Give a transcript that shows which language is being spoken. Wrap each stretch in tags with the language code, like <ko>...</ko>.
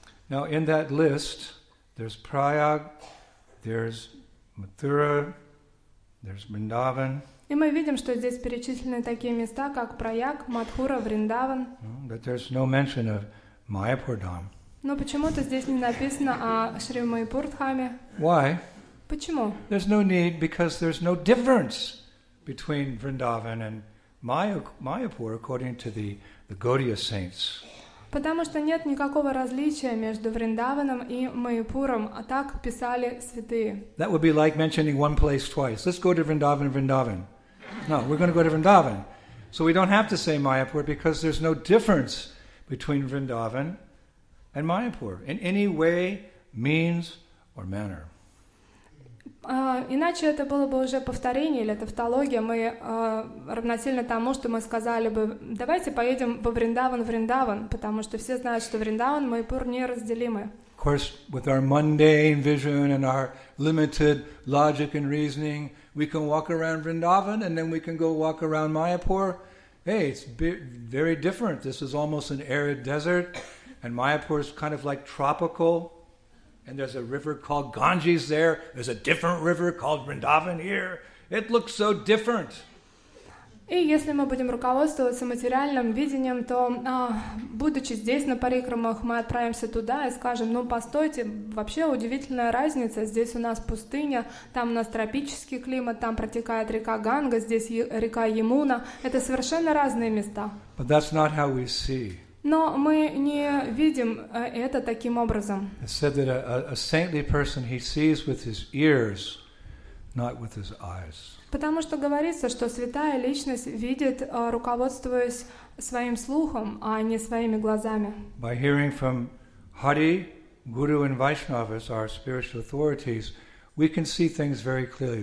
<en>Now in that list, There's Prayag, there's Mathura, there's Vrindavan.</en> <ru>И мы видим, что здесь перечислены такие места, как Прайаг, Матхура, Вриндаван.</ru> <en>But there's no mention of Майяпур Дхам.</en> <ru>Но почему-то здесь не написано о Шри Майяпур Дхаме.</ru> <en>Why?</en> <ru>Почему?</ru> <en>There's no need because there's no difference between Vrindavan and Майяпур according to the Gaudiya saints.</en> <ru>Потому что нет никакого различия между Вриндаваном и Майяпуром, а так писали святые.</ru> <en>That would be like mentioning one place twice. Let's go to Vrindavan, Vrindavan. No, we're going to go to Vrindavan. So we don't have to say Майяпур because there's no difference between Vrindavan and Майяпур in any way, means or manner.</en> <ru>Иначе это было бы уже повторение или тавтология. Мы равносильно тому, что мы сказали бы, давайте поедем во Вриндаван, Вриндаван, потому что все знают, что Вриндаван, Майяпур неразделимы.</ru> <en>Of course, with our mundane vision and our limited logic and reasoning, we can walk around Vrindavan and then we can go walk around Майяпур. Hey, it's very different. This is almost an arid desert and Майяпур is kind of like tropical. And there's a river called Ganges there. There's a different river called Vrindavan here. It looks so different.</en> <ru>И если мы будем руководствоваться материальным видением, то будучи здесь на парикрамах, мы отправимся туда и скажем: ну постойте, вообще удивительная разница. Здесь у нас пустыня, там у нас тропический климат, там протекает река Ганга, здесь река Ямуна. Это совершенно разные места.</ru> <en>But that's not how we see.</en> <ru>Но мы не видим это таким образом.</ru> <en>It said that a saintly person he sees with his ears, not with his eyes.</en> <ru>Потому что говорится, что святая личность видит, руководствуясь своим слухом, а не своими глазами.</ru> <en>By hearing from Hari, Guru and Vaishnavas, our spiritual authorities, we can see things very clearly.</en>